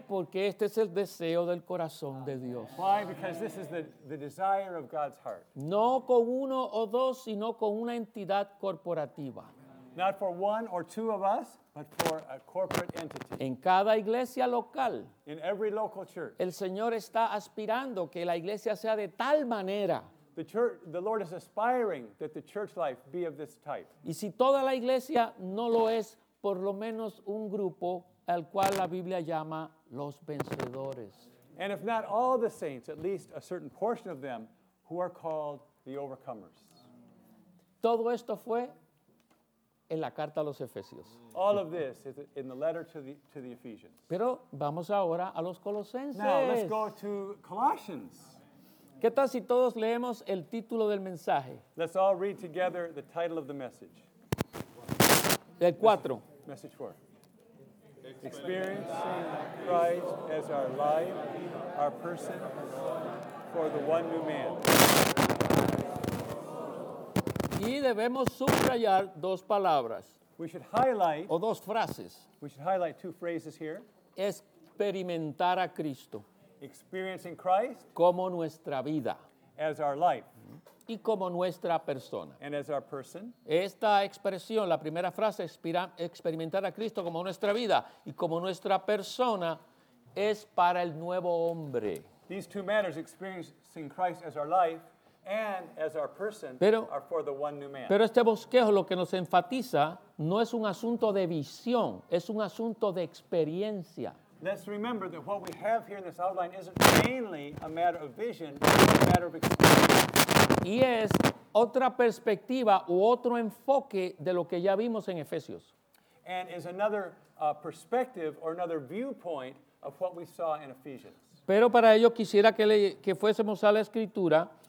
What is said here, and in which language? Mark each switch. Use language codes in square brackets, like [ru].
[es] Porque este es el deseo del corazón de Dios. [en] Why? Because this is the desire of God's heart. [es] No con uno o dos, sino con una entidad corporativa. [en] Not for one or two of us, but for a corporate entity. [es] En cada iglesia local, [en] in every local church, [es] el Señor está aspirando que la iglesia sea de tal manera. [en] The Lord is aspiring that the church life be of this type. [es] Y si toda la iglesia no lo es, por lo menos un grupo al cual la Biblia llama los vencedores. [en] And if not all the saints, at least a certain portion of them who are called the overcomers. [es] Todo esto fue en la carta a los Efesios. [en] All of this is in the letter to the Ephesians. [es] Pero vamos ahora a los Colosenses. [en] Now let's go to Colossians. [es] ¿Qué tal si todos leemos el título del mensaje? [en] Let's all read together the title of the message. [es] El 4. [en] Message 4. Experiencing Christ as our life, our person, for the one new man. [es] Y debemos subrayar dos palabras. [en] We should highlight. [es] O dos frases. [en] We should highlight two phrases here. [es] Experimentar a Cristo. [en] Experiencing Christ [es] como nuestra vida, [en] as our life, [es] y como nuestra persona, [en] and as our person. [es] Esta expresión, la primera frase, experimentar a Cristo como nuestra vida y como nuestra persona, es para el nuevo hombre. [en] These two matters, experiencing Christ as our life and as our person, are for the one new man. [es] Pero este bosquejo lo que nos enfatiza no es un asunto de visión, es un asunto de experiencia. [en] Let's remember that what we have here in this outline isn't mainly a matter of vision, but a matter of experience. [es] Y es otra perspectiva u otro enfoque de lo que ya vimos en Efesios. [en] And is another perspective or another viewpoint of what we saw in Ephesians. [es] Pero para ello quisiera que fuésemos a la Escritura.